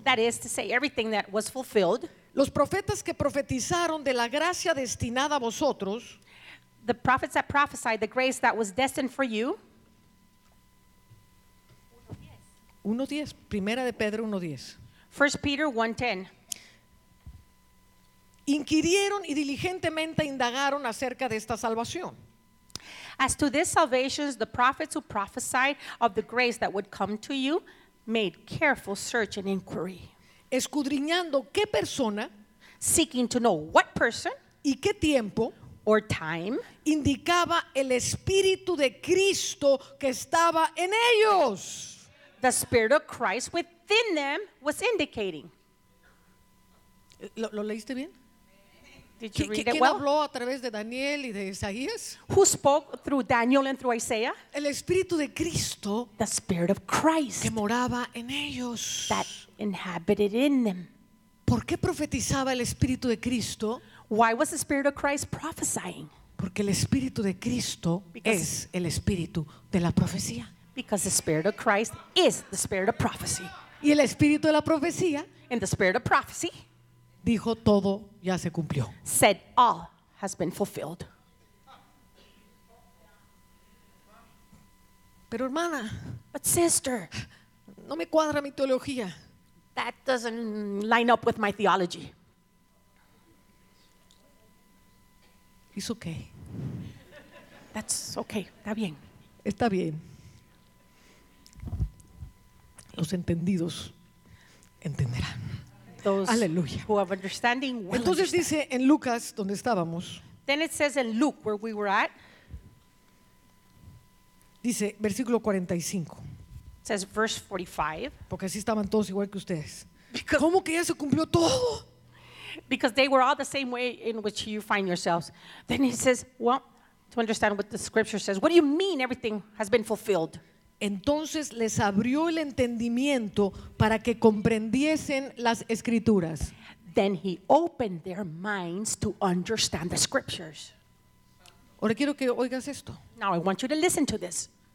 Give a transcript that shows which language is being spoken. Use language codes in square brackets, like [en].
[en] That is to say, everything that was fulfilled. [es] Los profetas que profetizaron de la gracia destinada a vosotros. [en] The prophets that prophesied, the grace that was destined for you. [es] 1:10, Primera de Pedro 1:10. [en] 1 Peter 1:10. [es] Inquirieron y diligentemente indagaron acerca de esta salvación. [en] As to this salvation, the prophets who prophesied of the grace that would come to you made careful search and inquiry. [es] Escudriñando qué persona, [en] seeking to know what person, [es] y qué tiempo, [en] or time, [es] indicaba el Espíritu de Cristo que estaba en ellos. [en] The Spirit of Christ within them was indicating. [es] ¿Lo leíste bien? [en] Did you read [es] ¿Quién [en] it well? [es] Habló a través de Daniel y de Isaías? [en] Who spoke through Daniel and through Isaiah? [es] El Espíritu de Cristo, [en] the Spirit of Christ, [es] que moraba en ellos, [en] that inhabited in them. [es] ¿Por qué profetizaba el Espíritu de Cristo? [en] Why was the Spirit of Christ prophesying? [es] Porque el Espíritu de Cristo es el Espíritu de la profecía. [en] Because the Spirit of Christ is the Spirit of prophecy. [es] Y el Espíritu de la profecía, [en] and the Spirit of prophecy, [es] dijo todo ya se cumplió. [en] Said all has been fulfilled. [es] Pero hermana, [en] but sister, [es] no me cuadra mi teología. [en] That doesn't line up with my theology. It's okay. That's okay. [es] Está bien. Está bien. Los entendidos entenderán. Aleluya. [en] Who have understanding will [es] Entonces [en] understand. [es] Dice en Lucas donde estábamos. [en] Then it says in Luke where we were at. [es] Dice versículo 45. [en] It says verse 45. [es] Porque así estaban todos igual que ustedes. [en] Because, [es] ¿cómo que ya se cumplió todo? [en] Because they were all the same way in which you find yourselves. Then he says, well, to understand what the scripture says, what do you mean everything has been fulfilled? [es] Entonces les abrió el entendimiento para que comprendiesen las escrituras. [en] Then he opened their minds to understand the scriptures. [es] Ahora quiero que oigas esto. [en] Now I want you to listen to this.